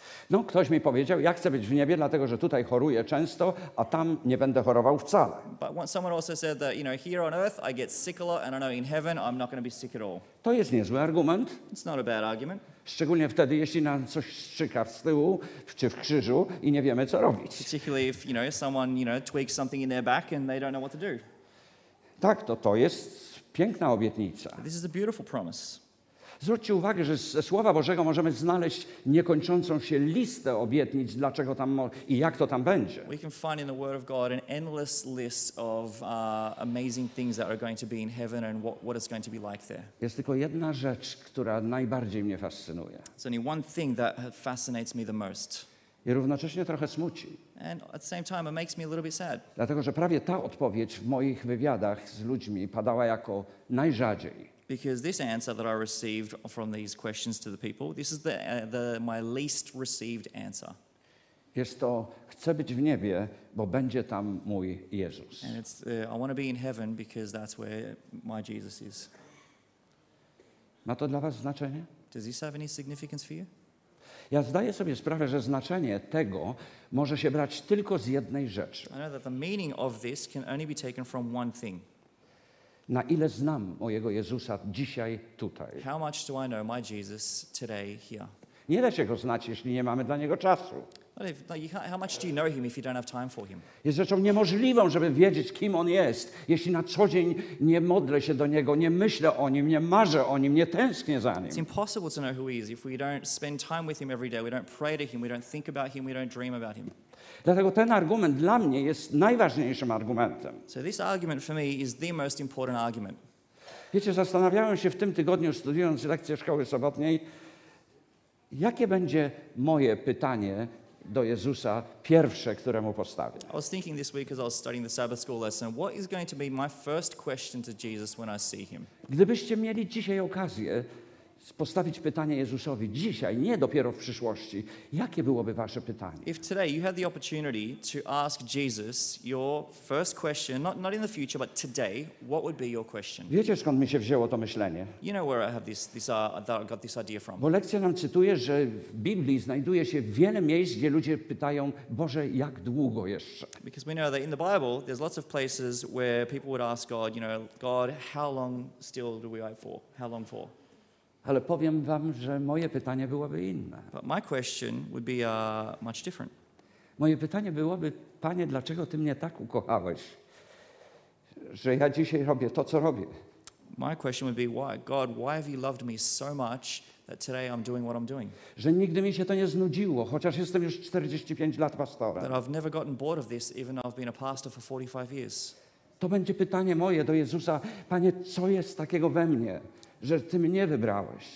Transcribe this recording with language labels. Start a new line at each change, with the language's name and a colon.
Polish: No, ktoś mi powiedział, ja chcę być w niebie, dlatego że tutaj choruję często, a tam nie będę chorował wcale.
English: But someone also said that, you know, here on earth I get sick a lot, and I know in heaven I'm not going to be sick at all.
Polish: To jest niezły argument.
English: It's not a bad argument.
Polish: Szczególnie wtedy, jeśli nam coś strzyka w tyłu, czy w krzyżu i nie wiemy, co robić.
English: Particularly if, you know, someone, you know, tweaks something in their back and they don't know what to do.
Polish: Tak, to jest piękna obietnica.
English: This is a beautiful promise.
Polish: Zwróćcie uwagę, że ze Słowa Bożego możemy znaleźć niekończącą się listę obietnic, dlaczego tam i jak to tam będzie.
English: We can find in the Word of God an endless list of amazing things that are going to be in heaven and what it's going to be like there.
Polish: Jest tylko jedna rzecz, która najbardziej mnie fascynuje.
English: It's only one thing that fascinates me the most.
Polish: I równocześnie trochę smuci.
English: And at the same time it makes me a little bit sad.
Polish: Dlatego, że prawie ta odpowiedź w moich wywiadach z ludźmi padała jako najrzadziej.
English: Because this answer that I received from these questions to the people, this is the my least received answer.
Polish: Jest to, chcę być w niebie, bo będzie tam mój Jezus.
English: And it's, I want to be in heaven because that's where my Jesus is.
Polish: Ma to dla was znaczenie?
English: Does this have any significance for you?
Polish: Ja zdaję sobie sprawę, że znaczenie tego może się brać tylko z jednej rzeczy.
English: I know that the meaning of this can only be taken from one thing.
Polish: Na ile znam mojego Jezusa dzisiaj tutaj?
English: How much do I know my Jesus today here?
Polish: Nie da się go znać, jeśli nie mamy dla niego czasu.
English: How much do you know him if you don't have time for him?
Polish: Jest rzeczą niemożliwą, żeby wiedzieć, kim on jest, jeśli na co dzień nie modlę się do niego, nie myślę o nim, nie marzę o nim, nie tęsknię za nim.
English: It's impossible to know who he is if we don't spend time with him every day, we don't pray to him, we don't think about him, we don't dream about him.
Polish: Dlatego ten argument dla mnie jest najważniejszym argumentem.
English: So this argument for me is the most important argument.
Polish: Wiecie, zastanawiałem się w tym tygodniu, studiując lekcję szkoły sobotniej, jakie będzie moje pytanie do Jezusa, pierwsze, które mu postawię.
English: I was thinking this week as I was studying the Sabbath school lesson, what is going to be my first question to Jesus when I see him?
Polish: Gdybyście mieli dzisiaj okazję postawić pytanie Jezusowi dzisiaj, nie dopiero w przyszłości, jakie byłoby wasze pytanie?
English: If today you had the opportunity to ask Jesus your first question, not in the future, but today, what would be your question?
Polish: Wiecie, skąd mi się wzięło to myślenie?
English: You know where I have that I got this idea from.
Polish: Bo lekcja nam cytuje, że w Biblii znajduje się wiele miejsc, gdzie ludzie pytają, Boże, jak długo jeszcze?
English: Because we know that in the Bible, there's lots of places where people would ask God, you know, God, how long still do we wait for? How long for?
Polish: Ale powiem wam, że moje pytanie byłoby inne.
English: But my question would be much different.
Polish: Moje pytanie byłoby, Panie, dlaczego Ty mnie tak ukochałeś, że ja dzisiaj robię to, co robię?
English: My question would be, why? God, why have you loved me so much that today I'm doing what I'm doing?
Polish: Że nigdy mi się to nie znudziło, chociaż jestem już 45 lat pastorem.
English: That I've never gotten bored of this, even though I've been a pastor for 45 years.
Polish: To będzie pytanie moje do Jezusa, Panie, co jest takiego we mnie, że Ty mnie wybrałeś.